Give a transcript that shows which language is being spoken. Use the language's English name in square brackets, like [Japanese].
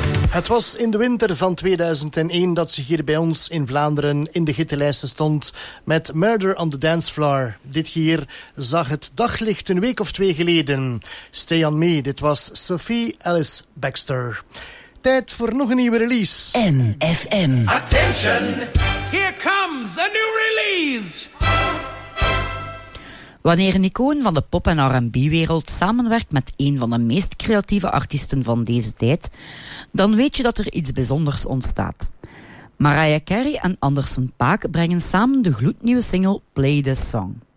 [Dutch] Het was in de winter van 2001 dat ze hier bij ons in Vlaanderen in de hittelijsten stond met Murder on the Dance Floor. Dit hier zag het daglicht een week of twee geleden. Stay on me, dit was Sophie Alice Baxter. Tijd voor nog een nieuwe release. MFM. [English] Attention! Here comes a new release! [Dutch] Wanneer een icoon van de pop- en R&B-wereld samenwerkt met een van de meest creatieve artiesten van deze tijd, dan weet je dat er iets bijzonders ontstaat. Mariah Carey en Anderson .Paak brengen samen de gloednieuwe single Play This Song.